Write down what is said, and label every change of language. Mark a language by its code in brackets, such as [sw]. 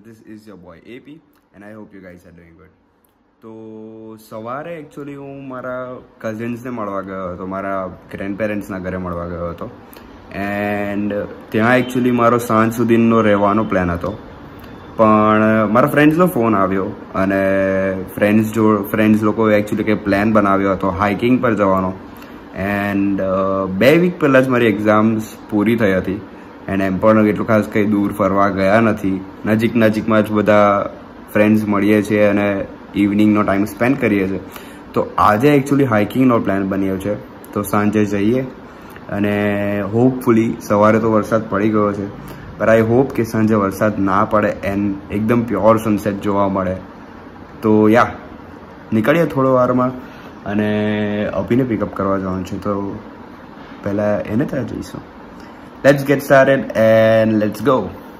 [en] This is your boy AP, and I hope you guys are doing good. [gu] So, સવારે actually હું મારા કઝિન્સને મળવા ગયો હતો, મારા ગ્રેન્ડપેરેન્ટ્સના ઘરે મળવા ગયો હતો. એન્ડ ત્યાં એકચ્યુઅલી મારો સાંજ સુધીનો રહેવાનો પ્લાન હતો, પણ મારા ફ્રેન્ડ્સનો ફોન આવ્યો અને ફ્રેન્ડ્સ લોકો એકચ્યુઅલી કે પ્લાન બનાવ્યો હતો હાઇકિંગ પર જવાનો. એન્ડ 2 વીક પહેલાં જ મારી એક્ઝામ્સ પૂરી થઈ હતી, એન્ડ એમ પણ એટલું ખાસ કંઈ દૂર ફરવા ગયા નથી. નજીકમાં જ બધા ફ્રેન્ડ્સ મળીએ છીએ અને ઇવનિંગનો ટાઈમ સ્પેન્ડ કરીએ છીએ. તો આજે એકચ્યુઅલી હાઇકિંગનો પ્લાન બન્યો છે, તો સાંજે જઈએ અને હોપફુલી, સવારે તો વરસાદ પડી ગયો છે પર આઈ હોપ કે સાંજે વરસાદ ના પડે એન્ડ એકદમ પ્યોર સનસેટ જોવા મળે. તો યા, નીકળીએ થોડો વારમાં અને અભિને પિકઅપ કરવા જવાનું છે, તો પહેલાં એને ત્યાં જઈશું. [en] Let's get started and let's go.